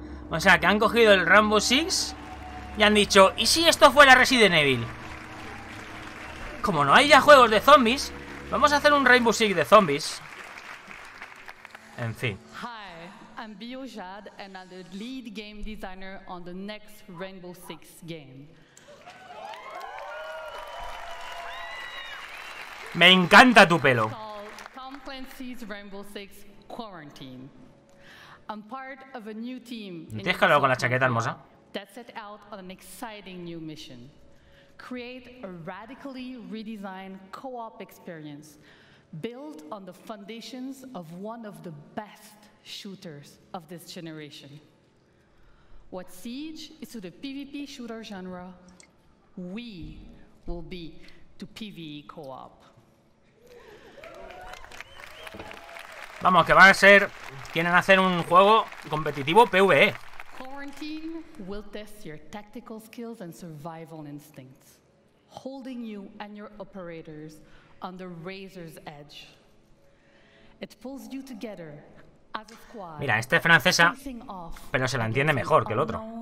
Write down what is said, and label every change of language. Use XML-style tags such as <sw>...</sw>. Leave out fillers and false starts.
<es>O sea, que han cogido el Rambo 6 y han dicho, ¿y si esto fuera Resident Evil? Como no hay ya juegos de zombies, vamos a hacer un Rainbow Six de zombies. En fin.</es> <en>I'm Bio Jad, and I'm the lead game designer on the next Rainbow Six game.</en> <es>Me encanta tu pelo.</es> <en>Tom Clancy's Rainbow Six Quarantine. I'm part of a new team.</en> <es>Déjalo con la chaqueta hermosa.</es> <en>That set out on an exciting new mission: create a radically redesigned co-op experience, built on the foundations of one of the best shooters of this generation. What Siege is to the PvP shooter genre, we will be to PvE co-op.</en> <es>Vamos, que van a ser, quieren hacer un juego competitivo PvE.</es> <en>Quarantine will test your tactical skills and survival instincts, holding you and your operators on the razor's edge. It pulls you together.</en> <es>Mira, este es francesa, pero se la entiende mejor que el otro.</es>